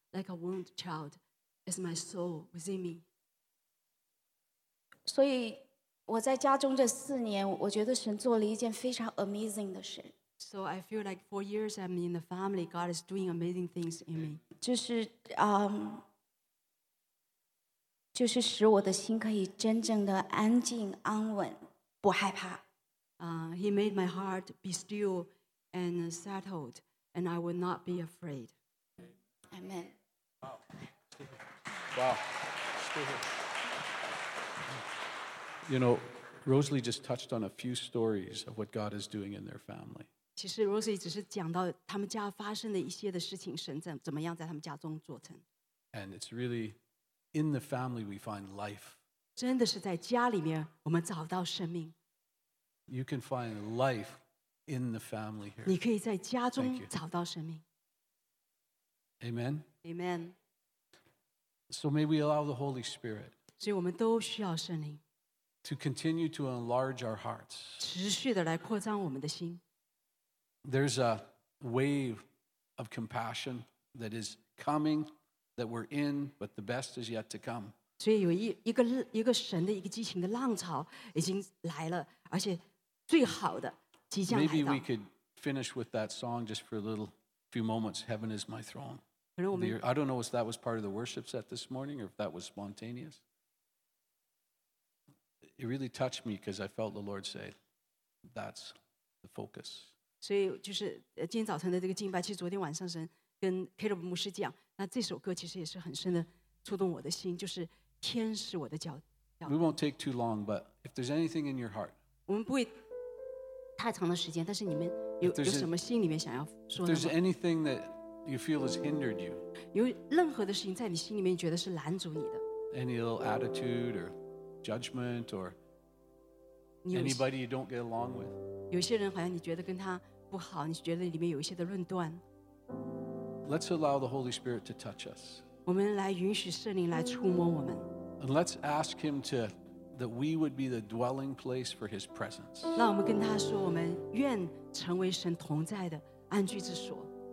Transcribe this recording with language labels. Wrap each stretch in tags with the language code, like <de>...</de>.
<en>Like a wounded child, is my soul within me.</en> <zh>所以。我在家中这四年，我觉得神做了一件非常 amazing 的事。</zh> <en>So I feel like 4 years I'm in the family, God is doing amazing things in me.</en> <zh>就是使我的心可以真正的安静、安稳，不害怕。</zh> <en>He made my heart be still and settled, and I will not be afraid. Amen. Wow. Wow. You know, Rosalie just touched on a few stories of what God is doing in their family.</en> <zh>其实 Rosalie 只是讲到他们家发生的一些的事情，神怎么样在他们家中做成。</zh> <en>And it's really in the family we find life.</en> <zh>真的是在家里面我们找到生命。</zh> <en>You can find life in the family here.</en> <zh>你可以在家中找到生命。</zh> <en>Amen. Amen. So may we allow the Holy Spirit.</en> <zh>所以我们都需要圣灵。</zh> <en>To continue to enlarge our hearts.</en> <zh>持续的来扩张我们的心。</zh> <en>There's a wave of compassion that is coming, that we're in, but the best is yet to come.</en> <zh>所以有一个神的一个激情的浪潮已经来了，而且最好的即将来到。</zh> <en>Maybe we could finish with that song just for a little few moments. Heaven is my throne. I don't know if that was part of the worship set this morning or if that was spontaneous. It really touched me because I felt the Lord say, "That's the focus."</en> <zh>So, 就是今天早晨的这个敬拜，其实昨天晚上神跟 Caleb 牧师讲，那这首歌其实也是很深的触动我的心，就是天是我的脚。</zh> <en>We won't take too long, but if there's anything in your heart,</en> <zh>我们不会太长的时间，但是你们有什么心里面想要说的</zh> <en>？There's anything that you feel has hindered you.</en> <zh>有任何的事情在你心里面觉得是拦阻你的</zh> <en>？Any little attitude or judgment or anybody you don't get along with.</en> <zh>有些人好像你觉得跟他不好，你觉得里面有一些的论断。</zh> <en>Let's allow the Holy Spirit to touch us.</en> <zh>我们来允许圣灵来触摸我们。</zh> <en>And let's ask Him to that we would be the dwelling place for His presence.</en> <zh>让我们跟他说，我们愿成为神同在的安居之所。</zh>